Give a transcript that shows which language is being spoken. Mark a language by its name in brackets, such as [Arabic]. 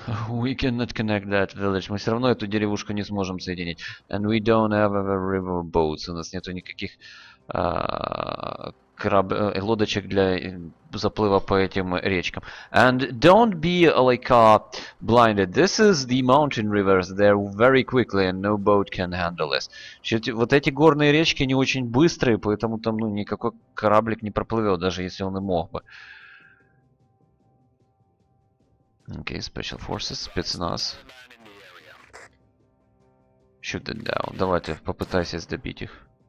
[English] We cannot connect that village. [Russian] Мы все равно эту деревушку не сможем соединить. [English] And we don't have a river boats. [Russian] У нас нету никаких лодочек для заплыва по этим речкам. [English] And don't be like blinded. This is the mountain rivers. They're very quickly and no boat can handle this. [Russian] Вот эти горные речки не очень быстрые, поэтому там ну, никакой кораблик не проплывет, даже если он и мог бы. [English] Okay, special forces, спецназ. Shoot them down. [Russian] Давайте, попытайся добить их.